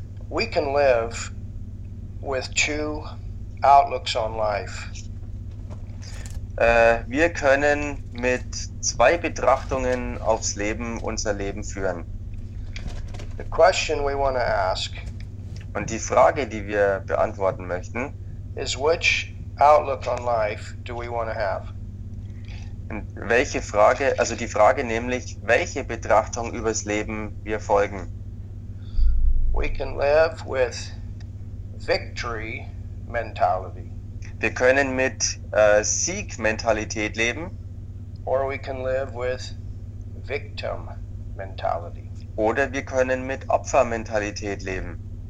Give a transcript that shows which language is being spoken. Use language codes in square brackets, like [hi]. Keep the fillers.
[en] We can live With two outlooks on life. [de] Uh, wir können mit zwei Betrachtungen aufs Leben unser Leben führen. [en] The question we ask [de] und die Frage, die wir beantworten möchten, ist, welche Betrachtung über das Leben wir folgen. [en] to have? [de] Und welche Frage, also die Frage nämlich, welche Betrachtung übers Leben wir folgen? [en] We can live with victory mentality. [de] Wir können mit äh, Siegmentalität leben. [en] Or we can live with victim mentality. [de] Oder wir können mit Opfermentalität leben.